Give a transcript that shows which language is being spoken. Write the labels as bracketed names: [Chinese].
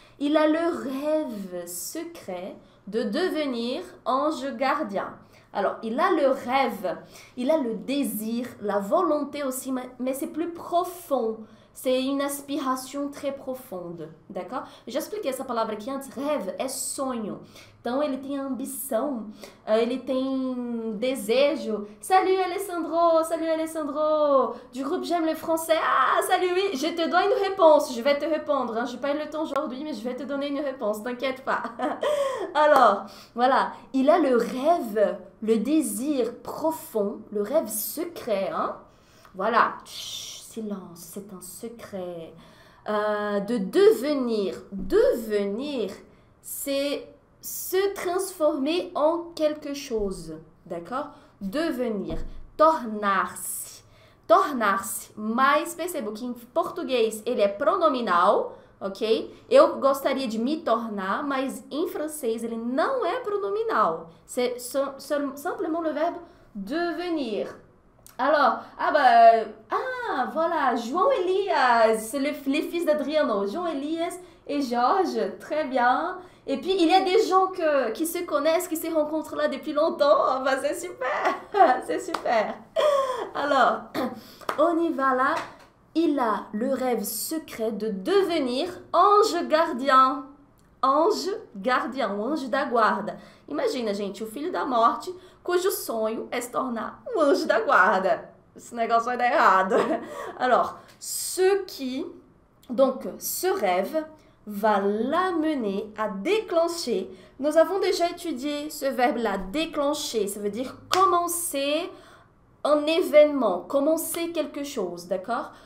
[French] Il a le rêve secret de devenir ange gardien. Alors, il a le rêve. Il a le désir, la volonté aussi, mais c'est plus profond. C'est une aspiration très profonde. D'accord? J'expliquais [Portuguese] essa palavra aqui antes. Rêve é sonho. Então, ele tem ambição, ele tem desejo. [French] Salut Alessandro, salut Alessandro, du groupe J'aime le français. Ah, salut, oui, je te dois une réponse, je vais te répondre. Hein. Je n'ai pas eu le temps aujourd'hui, mais je vais te donner une réponse, t'inquiète pas. Alors, voilà, il a le rêve, le désir profond, le rêve secret. Hein. Voilà, chut, silence, c'est un secret. De devenir, devenir, c'est se transformer en quelque chose, d'accord? [Portuguese] Devenir, tornar-se, tornar-se. Mas percebo que em português ele é pronominal, ok? Eu gostaria de me tornar, mas em francês ele não é pronominal. [French] C'est simplement le verbe devenir. Alors, ah, voilà, João Elias, c'est le fils d'Adriano. João Elias et Georges, très bien. Et puis, il y a des gens qui se connaissent, qui se rencontrent là depuis longtemps. Bah, c'est super! C'est super! Alors, on y va là. Il a le rêve secret de devenir ange gardien. Ange gardien, [Portuguese] um anjo da guarda. Imagina, gente, o filho da morte, cujo sonho é se tornar um anjo da guarda. Esse negócio vai dar errado. [French] Alors, ce rêve va l'amener à déclencher. Nous avons déjà étudié ce verbe-là, déclencher. Ça veut dire commencer un événement, commencer quelque chose, d'accord?